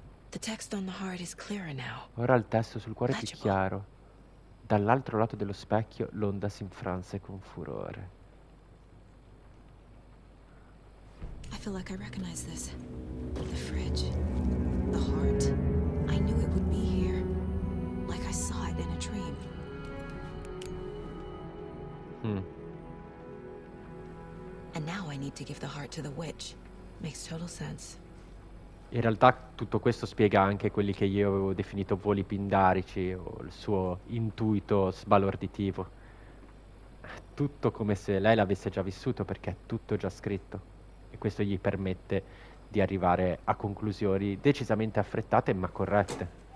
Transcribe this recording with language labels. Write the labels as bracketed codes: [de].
[en] The text on the heart is clearer now. [it] Ora il testo sul cuore è più [en] Legible. [it] chiaro. Dall'altro lato dello specchio l'onda si infranse con furore. [en] I feel like I recognize this. The fridge. The heart. I knew it would be here. Like I saw it in a dream. And now I need to give the heart to the witch. Makes total sense. [it] In realtà tutto questo spiega anche quelli che io avevo definito voli pindarici o il suo intuito sbalorditivo. Tutto come se lei l'avesse già vissuto perché è tutto già scritto e questo gli permette di arrivare a conclusioni decisamente affrettate ma corrette.